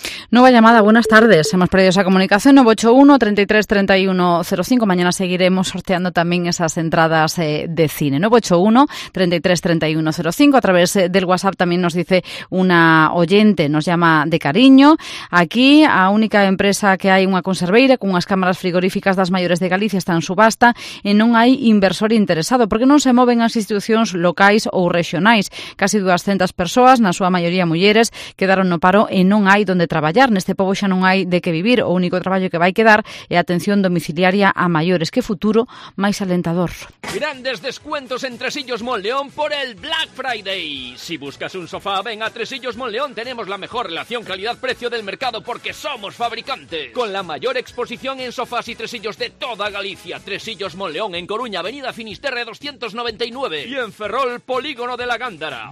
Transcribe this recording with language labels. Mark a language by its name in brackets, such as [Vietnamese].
[Spanish] Nueva llamada, buenas tardes. Hemos perdido esa comunicación, 981-33-3105. Mañana seguiremos sorteando también esas entradas de cine. 981-33-3105. A través del WhatsApp también nos dice una oyente, nos llama de cariño. [Galician] Aquí, a única empresa que hay unha conserveira con unhas cámaras frigoríficas das maiores de Galicia está en subasta e non hai inversor interesado. Porque non se moven as institucións locais ou regionais? Casi 200 persoas, na súa maioría mulleres, quedaron no paro e non hai donde traballar. Neste pobo xa non hai de que vivir. O único traballo que vai quedar é atención domiciliaria a maiores. Que futuro máis alentador. [Spanish] Grandes descuentos en Tresillos Monleón por el Black Friday. Si buscas un sofá, ven a Tresillos Monleón. Tenemos la mejor relación calidad-precio del mercado porque somos fabricantes. Con la mayor exposición en sofás y tresillos de toda Galicia. Tresillos Monleón en Coruña, Avenida Finisterre 299. Y en Ferrol, Polígono de la Gándara.